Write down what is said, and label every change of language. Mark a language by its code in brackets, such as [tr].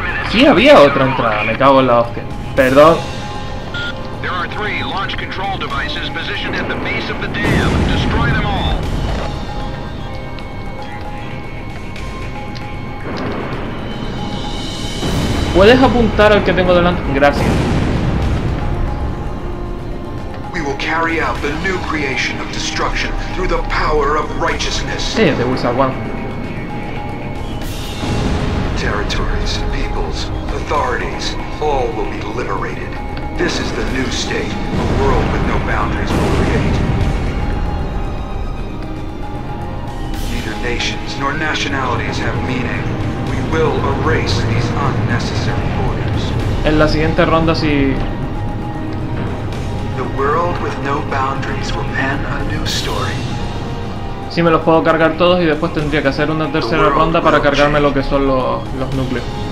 [es] Sí, había otra entrada, me cago en la hostia. Perdón. [en] There are three launch control devices positioned at the base of the dam. Destroy them all. [es] ¿Puedes apuntar al que tengo delante? Gracias. [en] We will carry out the new creation of destruction through the power of righteousness. [es] Sí, de Bursa One. [en] Territories, peoples, authorities, all will be liberated. This is the new state, a world with no boundaries will create. Neither nations nor nationalities have meaning. We will erase these unnecessary borders. [es] En la siguiente ronda, si... [en] The world with no boundaries will pen a new story. [es] Sí, me los puedo cargar todos y después tendría que hacer una tercera ronda para cargarme lo que son los núcleos.